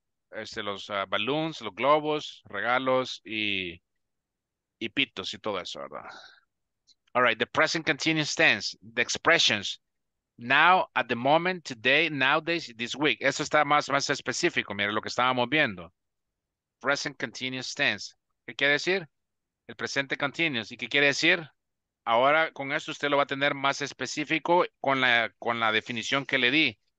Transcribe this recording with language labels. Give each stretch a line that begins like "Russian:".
Spanish: Los balloons, los globos, regalos y pitos y todo eso, ¿verdad?
English: All right, the present continuous tense, the expressions. Now, at the moment, today, nowadays, this week.
Spanish: Eso está más específico, mira lo que estábamos viendo. Present continuous tense. ¿Qué quiere decir? El presente continuous. ¿Y qué quiere decir? Ahora, con esto, usted lo va a tener más específico con la definición que le di.